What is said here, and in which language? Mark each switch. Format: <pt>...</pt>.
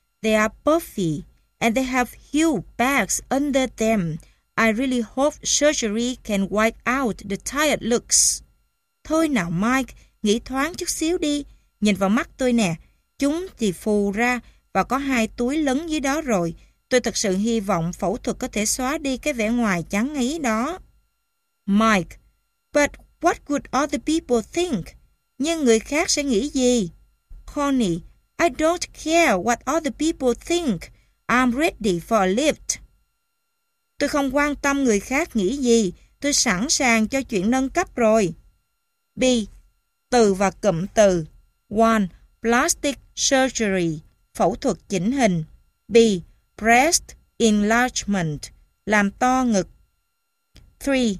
<en>They are puffy, and they have huge bags under them. I really hope surgery can wipe out the tired looks.</en> <vi>Thôi nào, Mike, nghĩ thoáng chút xíu đi. Nhìn vào mắt tôi nè. Chúng thì phù ra, và có hai túi lấn dưới đó rồi. Tôi thật sự hy vọng phẫu thuật có thể xóa đi cái vẻ ngoài chán ngấy đó.</vi> <en>Mike, but what would other people think?</en> <vi>Nhưng người khác sẽ nghĩ gì?</vi> <en>Connie, I don't care what other people think. I'm ready for a lift.</en> <vi>Tôi không quan tâm người khác nghĩ gì. Tôi sẵn sàng cho chuyện nâng cấp rồi. B. Từ và cụm từ. 1. Plastic surgery. Phẫu thuật chỉnh hình. B. Breast enlargement. Làm to ngực. 3.</vi>